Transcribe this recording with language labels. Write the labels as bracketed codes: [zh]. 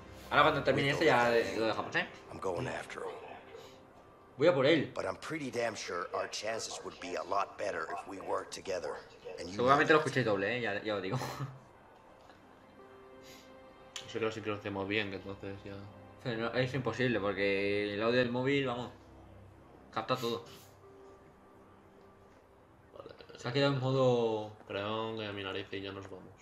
[es] Ahora cuando termine esto ya lo dejamos, ¿eh? [en] I'm going after him. [es] Voy a por él. [en] But I'm pretty damn sure our chances would be a lot better if we worked together. [es] Seguramente lo escuché doble, ¿eh? Ya lo digo. Eso creo que lo hacemos bien, entonces ya. Pero es imposible porque el audio del móvil, vamos, capta todo. Se ha quedado en modo. Perdón, que mi nariz y yo nos vamos.